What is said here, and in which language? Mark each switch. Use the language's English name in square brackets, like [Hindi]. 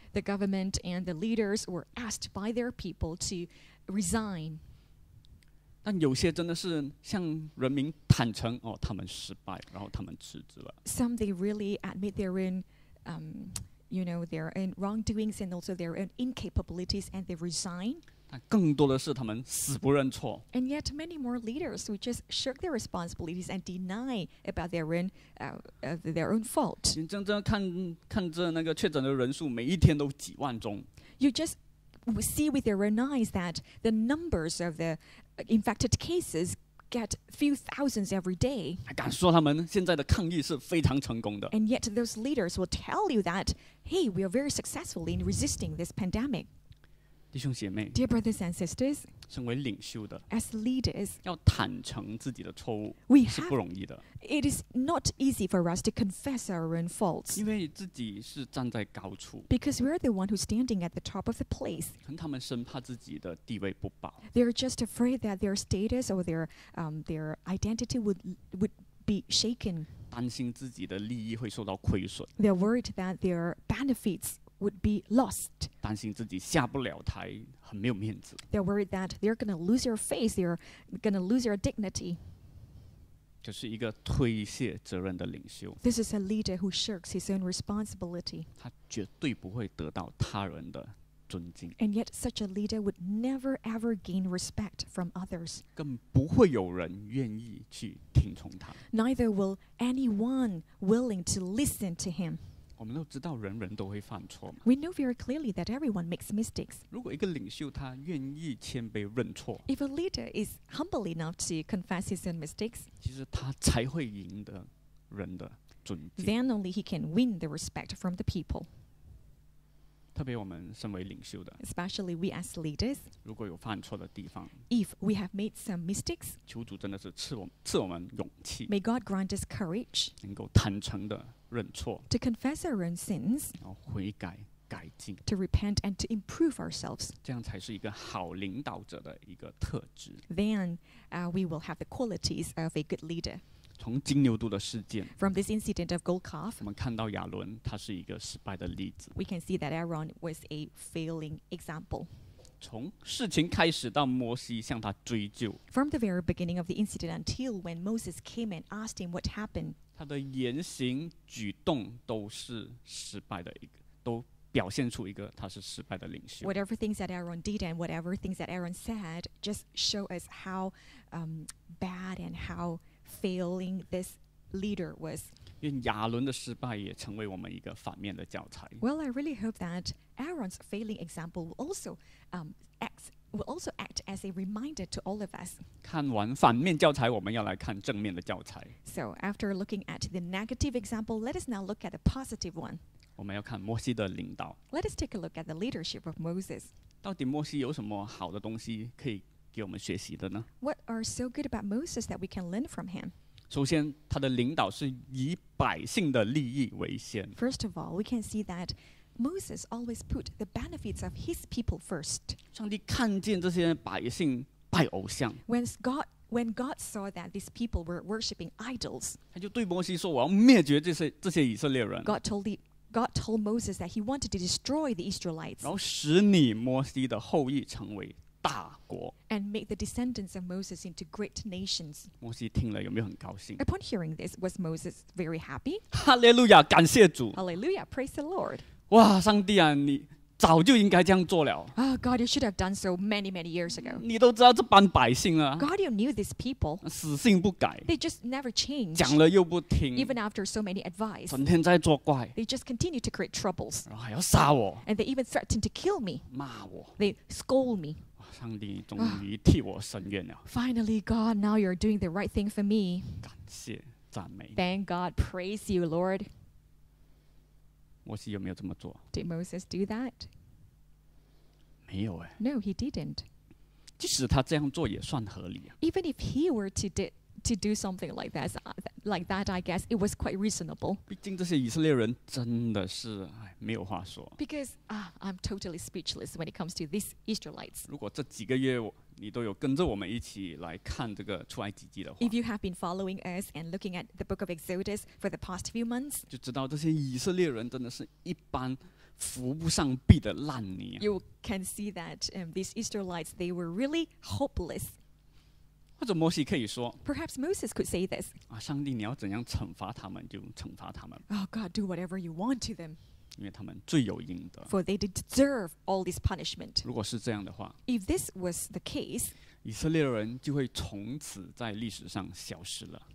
[English] The government and the leaders were asked by their people to resign。 [Chinese] 但有些真的是向人民坦诚哦，他们失败，然后他们辞职了。 [English] Some they really admit their own you know their own wrongdoings and also their own incapabilities and they resign。 [Chinese] 更多的是他们死不认错。 [English] And yet many more leaders who just shirk their responsibilities and deny about their own fault. [Chinese] 眼睁睁看看着那个确诊的人数每一天都几万宗。 [English] You just see with your own eyes that the numbers of the infected cases get few thousands every day. [Chinese] 还敢说他们现在的抗疫是非常成功的。 [English] And yet those leaders will tell you that, hey, we are very successful in resisting this pandemic. [Chinese] 弟兄姐妹 [English] Dear brothers and sisters, [Chinese] 身为领袖的 [English] As leaders, [Chinese] 要坦诚自己的错误 是不容易的 [English] It is not easy for us to confess our own faults [Chinese] 因为自己是站在高处 [English] Because we are the one who's standing at the top of the place [Chinese] 可能他们生怕自己的地位不保 [English] They are just afraid that their status or their identity would be shaken [Chinese] 担心自己的利益会受到亏损 [English] They are worried that their benefits would be lost [Chinese] 担心自己下不了台很没有面子 [English] they're worried that they're going to lose your face they're going to lose your dignity [Chinese] 这是一个推卸责任的领袖 [English] this is a leader who shirks his own responsibility [Chinese] 他绝对不会得到他人的尊敬 [English] and yet such a leader would never ever gain respect from others [Chinese] 更不会有人愿意去听从他 [English] neither will anyone willing to listen to him [Chinese] 我们都知道人人都会犯错嘛。 [English] We know very clearly that everyone makes mistakes. [Chinese] 如果一个领袖他愿意谦卑认错 [English] If a leader is humble enough to confess his own mistakes, [Chinese] 其实他才会赢得人的尊敬。 [English] Then only he can win the respect from the people. [Chinese] 特别我们身为领袖的 [English] Especially we as leaders. [Chinese] 如果有犯错的地方 [English] If we have made some mistakes, [Chinese] 求主真的是赐我们勇气 [English] May God grant us courage. [Chinese] 能够坦诚的认错 [English] to confess our own sins, [Chinese] 然后悔改改进 [English] to repent and to improve ourselves. [Chinese] 这样才是一个好领导者的一个特质 [English] Then, we will have the qualities of a good leader. [Chinese] 从金牛犊的事件 [English] from this incident of gold calf, [Chinese] 我们看到亚伦他是一个失败的例子 [English] we can see that Aaron was a failing example. [Chinese] 从事情开始到摩西向他追究 [English] from the very beginning of the incident until when Moses came and asked him what happened, [Chinese] 他的言行举动都是失败的一个都表现出一个他是失败的领袖 [English] Whatever things that Aaron did and whatever things that Aaron said just show us how bad and how failing this leader was. [Chinese] 因亚伦的失败也成为我们一个反面的教材 [English] Well, I really hope that Aaron's failing example will also act as a reminder to all of us. [Chinese] 看完反面教材，我们要来看正面的教材 [English] So after looking at the negative example, let us now look at the positive one. [Chinese] 我们要看摩西的领导。 [English] Let us take a look at the leadership of Moses. [Chinese] 到底摩西有什么好的东西可以给我们学习的呢 [English] ？What are so good about Moses that we can learn from him? [Chinese] 首先，他的领导是以百姓的利益为先。 [English] First of all, we can see that Moses always put the benefits of his people first. [Chinese] 上帝看见这些百姓拜偶像。 [English] When God saw that these people were worshiping idols, [Chinese] 他就对摩西说：“我要灭绝这些以色列人。” [English] God told Moses that he wanted to destroy the Israelites. [Chinese] 然后使你摩西的后裔成为大国。 [English] And make the descendants of Moses into great nations. [Chinese] 摩西听了有没有很高兴 [English] ？Upon hearing this, was Moses very happy? [Chinese] Hallelujah! 感谢主。 [English] Hallelujah! Praise the Lord. [Chinese] 哇，上帝啊，你早就应该这样做了。 [English] Oh, God, you should have done so many, many years ago. [Chinese] 你都知道这帮百姓啊。 [English] God, you knew these people. [Chinese] 死性不改。 [English] They just never changed. [Chinese] 讲了又不听。 [English] Even after so many advice. [Chinese] 整天在作怪。 [English] They just continue to create troubles. [Chinese] 然后还要杀我。 [English] And they even threatened to kill me. [Chinese] 骂我。 [English] They scold me. [Chinese] 上帝终于替我伸冤了。 [English] Finally, God, now you're doing the right thing for me. [Chinese] 感谢赞美。 [English] Thank God, praise you, Lord. [Chinese] 摩西有没有这么做 [English] Did Moses do that? [Chinese] 没有、欸、 [English] No, he didn't. [Chinese] 即使他这样做也算合理、啊、 [English] Even if he were to do something like that, I guess it was quite reasonable. [Chinese] 毕竟这些以色列人真的是没有话说。 [English] Because I'm totally speechless when it comes to these Israelites. [Chinese] 如果这几个月你都有跟着我们一起来看这个出埃及记的话 [English] ，If you have been following us and looking at the book of Exodus for the past few months, [Chinese] 就知道这些以色列人真的是一般扶不上壁的烂泥、啊。 [English] You can see that these Israelites they were really hopeless. [Chinese] 或者摩西可以说 [English] ，Perhaps Moses could say this. [Chinese] 啊，上帝，你要怎样惩罚他们就惩罚他们。 [English] Oh God, do whatever you want to them. [Chinese] 因为他们罪有应得。 [English] For they deserve all this punishment. [Chinese] 如果是这样的话 [English] ，If this was the case, [Chinese] 以色列人就会从此在历史上消失了。